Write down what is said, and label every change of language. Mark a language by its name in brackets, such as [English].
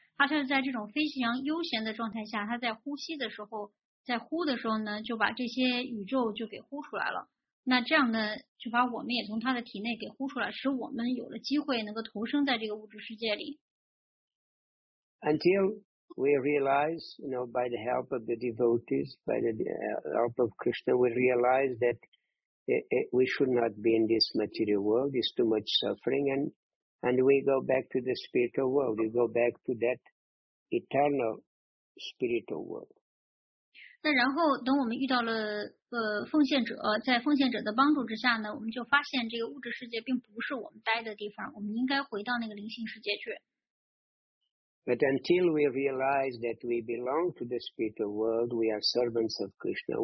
[Chinese] 他就是在这种非常悠闲的状态下，他在呼吸的时候，在呼的时候呢，就把这些宇宙就给呼出来了。那这样呢，就把我们也从他的体内给呼出来，使我们有了机会能够投生在这个物质世界里。 [English] Until we realize, you know, by the help of the devotees, by the help of Krishna, we realize that we should not be in this material world. It's too much suffering, and we go back to the spiritual world. We go back to that eternal spiritual world. [Chinese] 那然后等我们遇到了奉献者，在奉献者的帮助之下呢，我们就发现这个物质世界并不是我们待的地方，我们应该回到那个灵性世界去。 [English] But until we realize that we belong to the spiritual world, we are servants of Krishna.